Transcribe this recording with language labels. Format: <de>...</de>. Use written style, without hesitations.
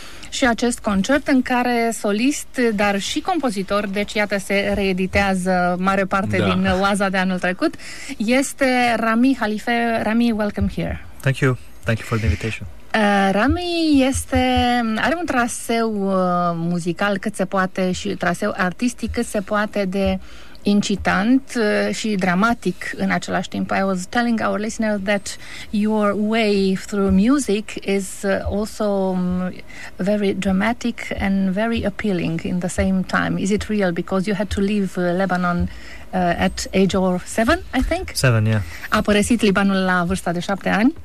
<ro>Și acest concert în care solist, dar și compozitor, deci iată, se reeditează mare parte din Oaza de anul trecut, este Rami Halife.</ro> <en>Rami, welcome here. Thank you. Thank you for the invitation.</en> <ro>Rami are un traseu muzical cât se poate și traseu artistic cât se poate de incitant și dramatic în același timp.</ro> <en>I was telling our listener that your way through music is also very dramatic and very appealing in the same time. Is it real? Because you had to leave Lebanon at age of 7, I think? 7, yeah.</en> <ro>A părăsit Libanul la vârsta de 7 ani?</ro>